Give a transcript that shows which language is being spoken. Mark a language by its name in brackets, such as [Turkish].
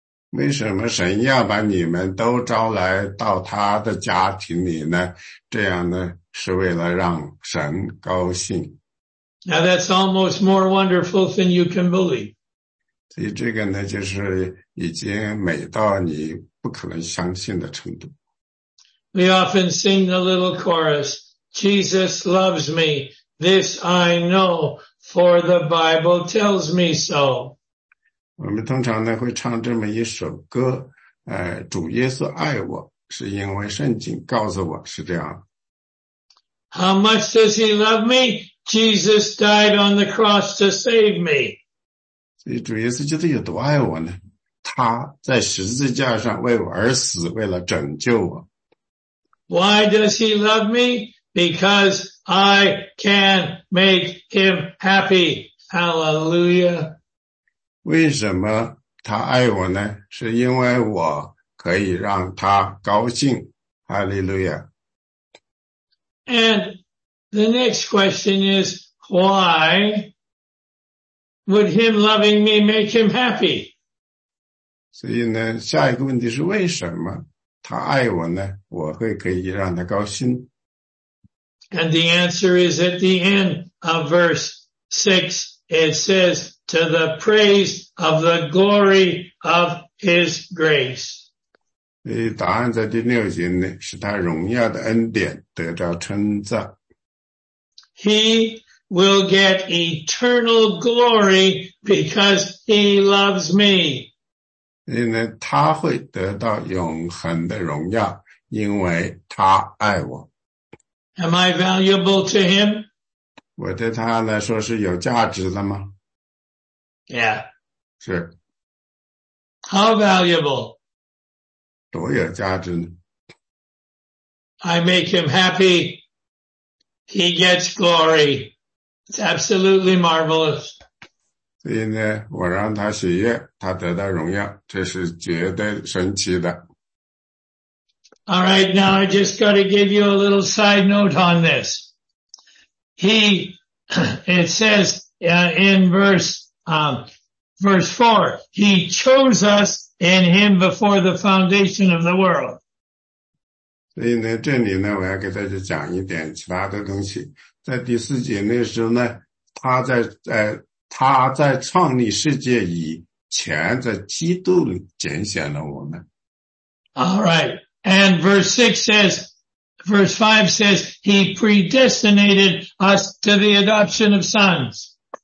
[Chinese] 为什么神要把你们都招来到他的家庭里呢？这样呢，是为了让神高兴。 [English] Now that's almost more wonderful than you can believe. [Chinese] 所以这个呢，就是已经美到你不可能相信的程度。 [English] We often sing the little chorus, Jesus loves me, this I know, for the Bible tells me so. [Chinese] 我们通常呢会唱这么一首歌，主耶稣爱我，是因为圣经告诉我是这样。 [English] How much does he love me? Jesus died on the cross to save me. [Chinese] 所以主耶稣基督有多爱我呢？他在十字架上为我而死，为了拯救我。 [English] Why does he love me? Because I can make him happy. Hallelujah. [Chinese] 为什么他爱我呢？是因为我可以让他高兴。哈利路亚。 [English] And the next question is, why would him loving me make him happy? [Chinese] 所以呢，下一个问题是为什么他爱我呢？我会可以让他高兴。 [English] And the answer is at the end of verse 6, it says,To the praise of the glory of his grace. [Chinese] 答案在第六节呢，是他荣耀的恩典得着称赞。 [English] He will get eternal glory because he loves me. [Chinese] 他会得到永恒的荣耀，因为他爱我。 [English] Am I valuable to him? [Chinese] 我对他来说是有价值的吗？ [English] Yeah. [Chinese] 是。 [English] How valuable? [Chinese] 多有价值呢。 [English] I make him happy. He gets glory. It's absolutely marvelous. [Chinese] 所以呢，我让他喜悦，他得到荣耀，这是绝对神奇的。 [English] All right, now I just got to give you a little side note on this. It says in verse 4, he chose us in him before the foundation of the world. [Chinese] 所以呢，这里呢，我要给大家讲一点其他的东西。在第四节那时候呢，他在创立世界以前，在基督里拣选了我们。 [English] All right, and verse 5 says, He predestinated us to the adoption of sons.